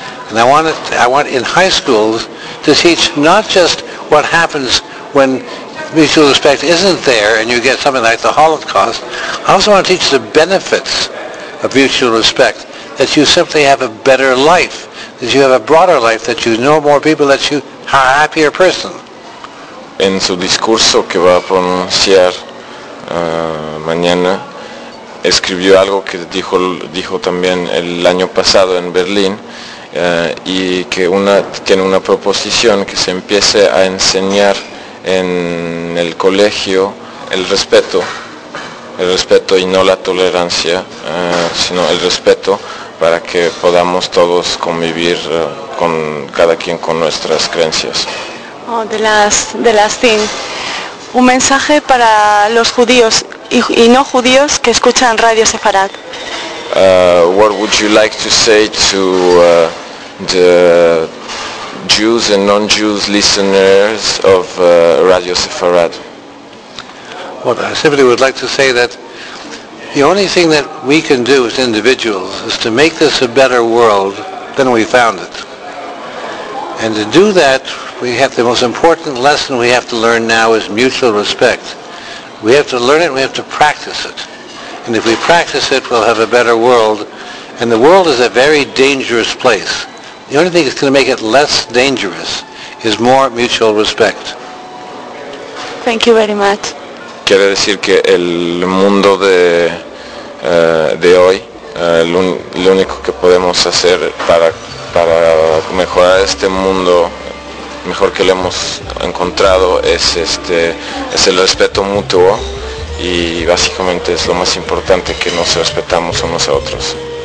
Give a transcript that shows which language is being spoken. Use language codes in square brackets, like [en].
[en] And I want in high schools to teach not just what happens when mutual respect isn't there and you get something like the Holocaust. I also want to teach the benefits of mutual respect, that you simply have a better life, that you have a broader life, that you know more people, that you are a happier person. [es] En su discurso que va a pronunciar mañana, escribió algo que dijo también el año pasado en Berlín, y que tiene una proposición que se empiece a enseñar en el colegio el respeto y no la tolerancia, sino el respeto, para que podamos todos convivir con cada quien con nuestras creencias. [en] Oh, the last thing. [es] Un mensaje para los judíos y no judíos que escuchan Radio Sefarad. [en] What would you like to say to the Jews and non-Jews listeners of Radio Sefarad? Well, I simply would like to say that the only thing that we can do as individuals is to make this a better world than we found it. And to do that, we have the most important lesson we have to learn now is mutual respect. We have to learn it, we have to practice it. And if we practice it, we'll have a better world. And the world is a very dangerous place. The only thing that's going to make it less dangerous is more mutual respect. Thank you very much. [es] Quiere decir que el mundo de hoy, lo único que podemos hacer para mejorar este mundo mejor que lo hemos encontrado es el respeto mutuo, y básicamente es lo más importante, que nos respetamos unos a otros.